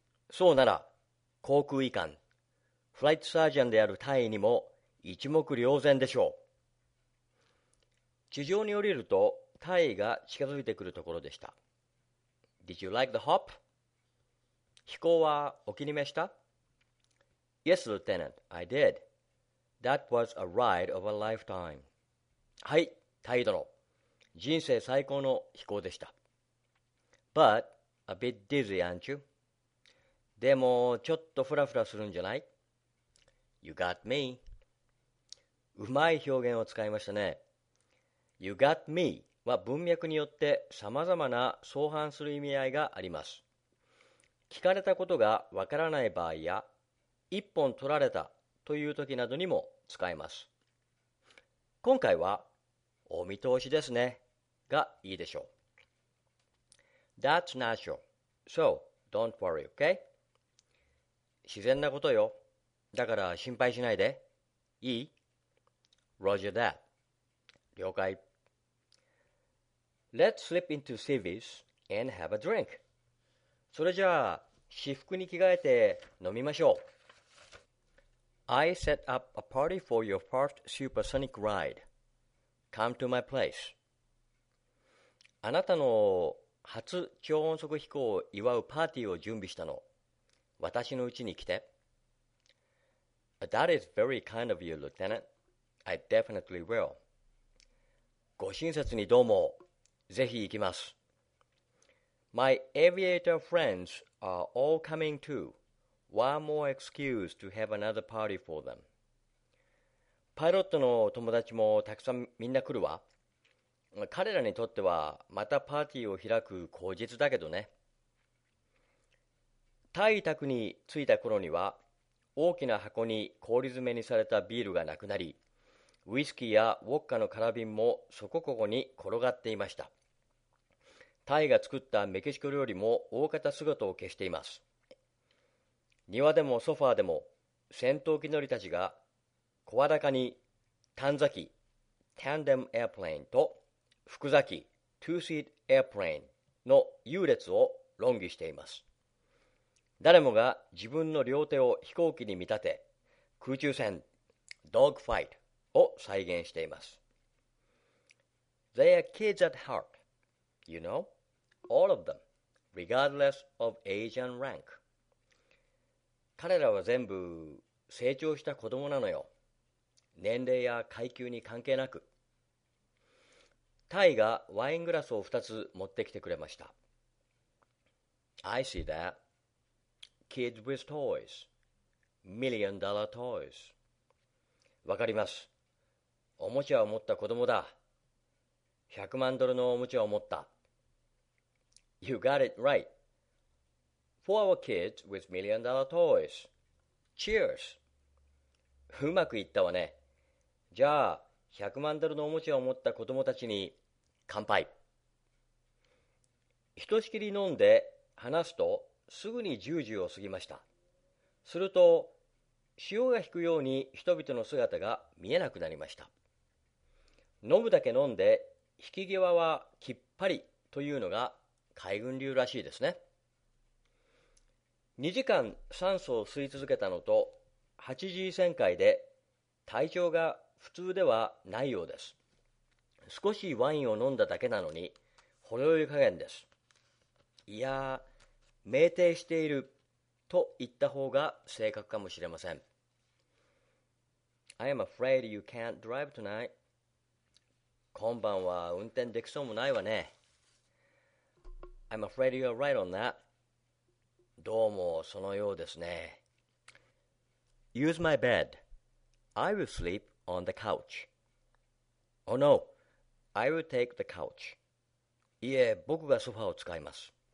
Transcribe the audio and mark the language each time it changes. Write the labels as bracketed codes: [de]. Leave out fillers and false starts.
[ja] そうなら、航空医官、フライトサージャンである隊員にも一目瞭然でしょう。地上に降りると、隊員が近づいてくるところでした。 [en] Did you like the hop? [ja] 飛行はお気に召した ? [en] Yes, Lieutenant, I did. That was a ride of a lifetime. [ja] はい、隊員殿。人生最高の飛行でした。 [en] But, a bit dizzy, aren't you? [ja] でも、ちょっとフラフラするんじゃない ? [en] You got me. [ja] うまい表現を使いましたね。 [en] You got me [ja] は文脈によってさまざまな相反する意味合いがあります。聞かれたことがわからない場合や、一本取られたという時などにも使えます。今回は、お見通しですねがいいでしょう。 [en] That's natural. So, don't worry, okay? [ja] 自然なことよ。だから心配しないで。いい? [en] Roger that. [ja] 了解。 [en] Let's slip into civvies and have a drink. [ja] それじゃあ、私服に着替えて飲みましょう。 [en] I set up a party for your first supersonic ride. Come to my place. [ja] あなたの初超音速飛行を祝うパーティーを準備したの。私の家に来て。 That is very kind of you, Lieutenant. [en] I definitely will. [ja] ご親切にどうも。ぜひ行きます。 [en] My aviator friends are all coming too. One more excuse to have another party for them. [ja] パイロットの友達もたくさんみんな来るわ。彼らにとってはまたパーティーを開く口実だけどね。タイ宅に着いた頃には、大きな箱に氷詰めにされたビールがなくなり、ウイスキーやウォッカの空瓶もそこここに転がっていました。タイが作ったメキシコ料理も大方姿を消しています。庭でもソファーでも、戦闘機乗りたちが小裸に短座機、タンデムエアプレインと複座機、トゥーシートエアプレインの優劣を論議しています。誰もが自分の両手を飛行機に見立て、空中戦、ドッグファイトを再現しています。 [en] They are kids at heart, you know, all of them, regardless of age and rank. [ja] 彼らは全部成長した子供なのよ。年齢や階級に関係なく。タイがワイングラスを2つ持ってきてくれました。 [en] I see that. Kids with toys. Million dollar toys. [ja] わかります。おもちゃを持った子供だ。100万ドルのおもちゃを持った。 [en] You got it right. For our kids with million dollar toys. Cheers. [ja] うまくいったわね。じゃあ、100万ドルのおもちゃを持った子供たちに乾杯。ひとしきり飲んで話すと、すぐに10時を過ぎました。すると、潮が引くように人々の姿が見えなくなりました。飲むだけ飲んで、引き際はきっぱりというのが海軍流らしいですね。 2時間酸素を吸い続けたのと、8時旋回で体調が普通ではないようです。少しワインを飲んだだけなのに、ほろ酔い加減です。いやー、酩酊していると言った方が正確かもしれません。 [en] I am afraid you can't drive tonight. [ja] 今晩は運転できそうもないわね。 [en] I'm afraid you're right on that. [ja] どうもそのようですね。 [en] Use my bed. I will sleep on the couch. Oh no. I will take the couch. [ja] いえ、僕がソファーを使います。